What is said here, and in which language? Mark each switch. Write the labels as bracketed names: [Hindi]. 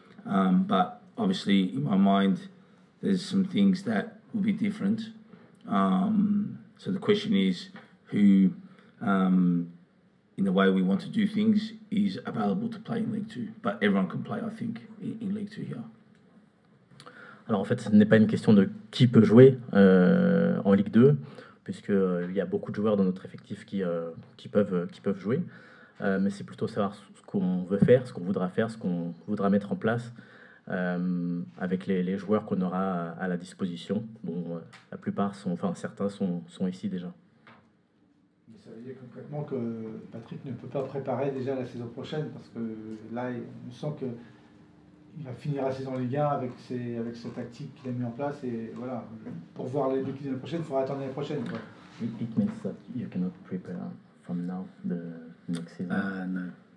[English] But obviously, in my mind, there's some things that will be different. So the question is, who, in the way we want to do things, is available to play in League 2? But everyone can play, I think, in League 2 here. [French] Alors en fait, ce n'est pas une question de qui peut jouer en Ligue 2. Puisqu'il y a beaucoup de joueurs dans notre effectif qui peuvent jouer. Mais c'est plutôt savoir ce qu'on veut faire, ce qu'on voudra faire, ce qu'on voudra mettre en place avec les joueurs qu'on aura à la disposition. Bon, la plupart, certains sont ici déjà. Mais ça veut dire concrètement que Patrick ne peut pas préparer déjà la saison prochaine, parce que là, on sent qu'il va finir la saison Ligue 1 avec sa tactique qu'il a mis en place. Et voilà, pour voir l'équipe l'année prochaine, il faudra attendre l'année prochaine. Quoi. [English] It means that you cannot prepare from now the next season.